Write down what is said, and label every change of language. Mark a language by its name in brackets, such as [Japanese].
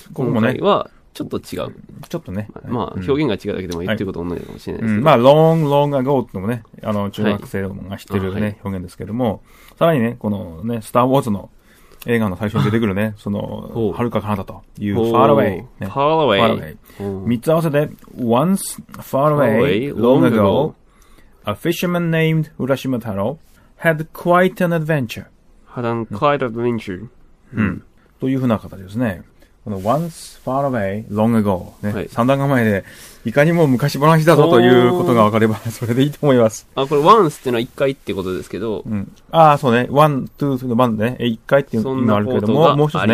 [Japanese] ここもね、今回はちょっと違う。ちょっとね。まあ、表現が違うだけでも言ってること同じかもしれないですけど、はい、うん。まあ、 [English] long, long ago [Japanese] ってのもね、中学生が知ってるね、はい、表現ですけども、さらにね、このね、スター・ウォーズの映画の最初に出てくるね、その、はるか彼方という、 [English] far away、 [Japanese] ね。 [English] far away。 [Japanese] 三つ合わせて、 [English] once, far away, long ago, a fisherman named 浦島太郎 had quite an adventure. Had an quite an adventure.、 [Japanese] うん、というふうな形ですね。 [English] Once far away, long ago、 [Japanese] ね、はい、3段構えでいかにも昔話だぞということが分かればそれでいいと思います。あ、これ Once っていうのは1回ってことですけど、うん、ああ、そうね、 [English] One, Two, Three, One [Japanese] でね、1回っていうのもあるけども、もう一つね、